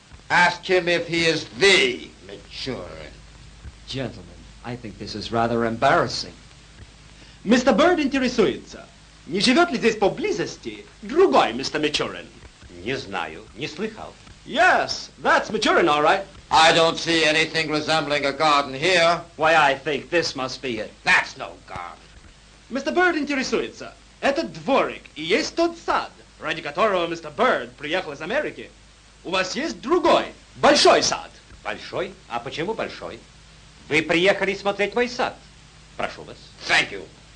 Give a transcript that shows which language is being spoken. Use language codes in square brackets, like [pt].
[en] Ask him if he is the Mitchell. Gentlemen, I think this is rather embarrassing. Mr. [ru] Bird интересуется, не живет ли здесь поблизости другой Mr. Mitchell? Не знаю, не слыхал. [en] Yes, that's Мичурин, all right. I don't see anything resembling a garden here. Why, I think this must be it. That's no garden. [ru] Mr. Bird интересуется. Это дворик, и есть тот сад, ради которого Mr. Bird приехал из Америки. У вас есть другой, большой сад. Большой? А почему большой? Вы приехали смотреть мой сад. Прошу вас. [en] Thank you.